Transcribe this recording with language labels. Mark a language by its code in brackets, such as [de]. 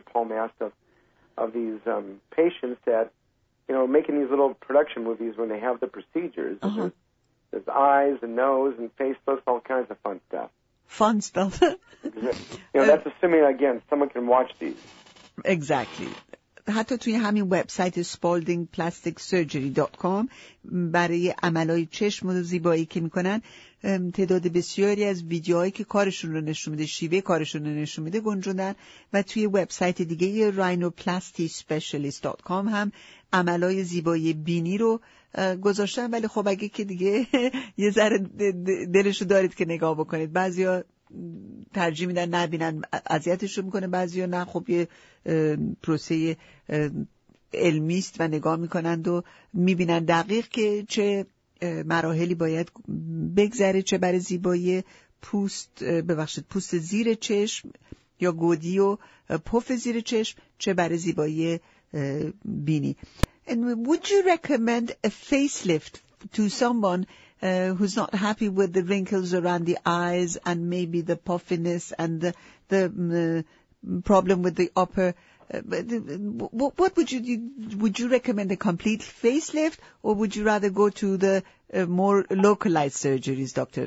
[en] Paul Mast of these patients that, you know, making these little production movies when they have the procedures. Uh-huh. There's eyes and nose and face lifts, all kinds of fun stuff. Fun stuff. You know, that's assuming, again, someone can watch these. Exactly. [fa] حتی توی همین وبسایت spaldingplasticsurgery.com برای عملای چشم و زیبایی که میکنن تعداد بسیاری از ویدیوهایی که کارشون رو نشون میده، شیوه کارشون رو نشون میده گنجوندن. و توی وبسایت دیگه rhinoplastyspecialist.com هم عملای زیبایی بینی رو گذاشتن، ولی خب اگه که دیگه یه ذره دلشو دارید که نگاه بکنید، بعضیا ترجیح میدن نبینن، اذیتشون میکنه، بعضیا نه، خب یه پروسه علمیست و نگاه میکنند و میبینن دقیق که چه مراحلی باید بگذره، چه برای زیبایی پوست، ببخشید، پوست زیر چشم یا گودی و پف زیر چشم، چه برای زیبایی بینی. [en] And would you recommend a facelift to someone who's not happy with the wrinkles around the eyes and maybe the puffiness and the problem with the upper? What would you recommend, a complete facelift, or would you rather go to the more localized surgeries, Dr.